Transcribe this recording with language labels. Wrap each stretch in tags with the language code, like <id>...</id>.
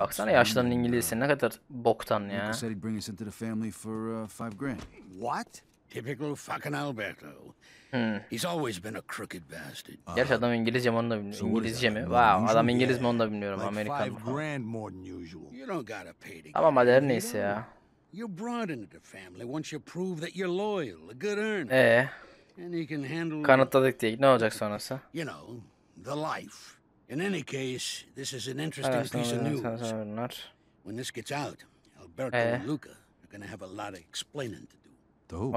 <tr>Baksana yaşlının İngilizcesi ne kadar boktan ya.</tr> <en>He said he'd bring us into the family for $5,000. What? Typical fucking Alberto. He's always been a crooked bastard.</en> <tr>Gerçi adam İngilizce mi onu da bilmiyorum. İngilizce mi? Wow, adam İngiliz mi onu da bilmiyorum. Amerikan mı?</tr> <en>$5,000 more than usual. You don't gotta pay to get.</en> <tr>Ama madem neyse ya.</tr> <en>You're brought into the family once you prove that you're loyal, a good earner. And you can handle.</en> <tr>Kanıtladık diye. Ne olacak sonrası?</tr> <en>You know, the life. In any case, this is an interesting piece of news. When this gets out, Alberto and Luca are gonna have a lot of explaining to do.</en>